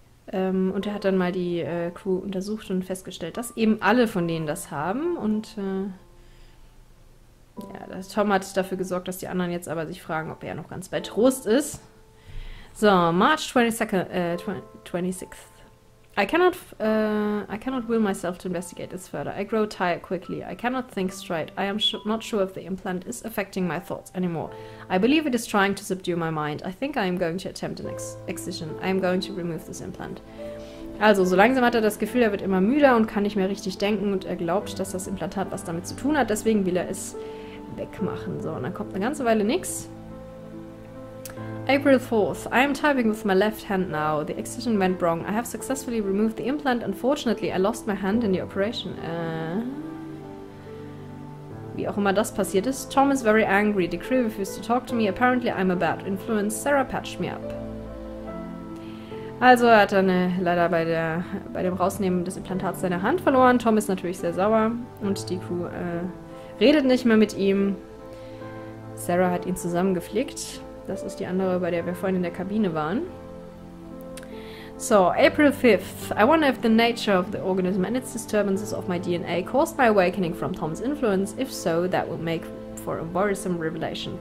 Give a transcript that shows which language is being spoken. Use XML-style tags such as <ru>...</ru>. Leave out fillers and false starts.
<de>Und er hat dann mal die Crew untersucht und festgestellt, dass eben alle von denen das haben. Und ja, das Tom hat dafür gesorgt, dass die anderen jetzt aber sich fragen, ob er noch ganz bei Trost ist.</de> <en>So, March 26th. I cannot will myself to investigate this further. I grow tired quickly. I cannot think straight. I am not sure if the implant is affecting my thoughts anymore. I believe it is trying to subdue my mind. I think I am going to attempt an excision. I am going to remove this implant.</en> <de>Also, so langsam hat er das Gefühl, er wird immer müder und kann nicht mehr richtig denken und er glaubt, dass das Implantat was damit zu tun hat. Deswegen will er es wegmachen. So, und dann kommt eine ganze Weile nichts.</de> <en>April 4th. I am typing with my left hand now. The excision went wrong. I have successfully removed the implant. Unfortunately, I lost my hand in the operation.</en> <de>Wie auch immer das passiert ist,</de> <en>Tom is very angry. The crew refused to talk to me. Apparently, I'm a bad influence. Sarah patched me up.</en> <de>Also, er hat dann leider bei dem Rausnehmen des Implantats seine Hand verloren. Tom ist natürlich sehr sauer und die Crew redet nicht mehr mit ihm. Sarah hat ihn zusammengeflickt. Das ist die andere, bei der wir vorhin in der Kabine waren.</de> <en>So, April 5th. I wonder if the nature of the organism and its disturbances of my DNA caused my awakening from Tom's influence. If so, that would make for a worrisome revelation.</en>